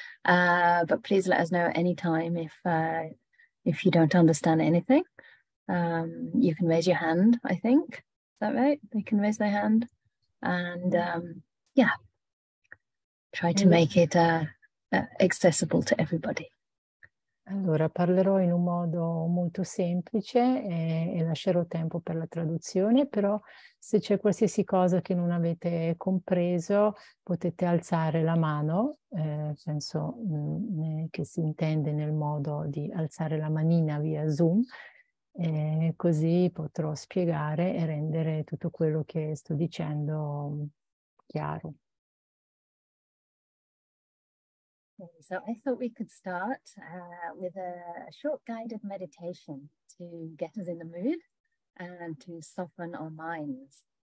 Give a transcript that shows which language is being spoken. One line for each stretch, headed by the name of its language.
English: But please let us know at any time if you don't understand anything. You can raise your hand, I think. Is that right? They can raise their hand. And try to make it accessible to everybody.
Italian: Allora, parlerò in un modo molto semplice e lascerò tempo per la traduzione, però se c'è qualsiasi cosa che non avete compreso, potete alzare la mano, penso che si intende nel modo di alzare la manina via Zoom, così potrò spiegare e rendere tutto quello che sto dicendo chiaro.
English: So I thought we could start with a short guided meditation to get us in the mood and to soften our minds.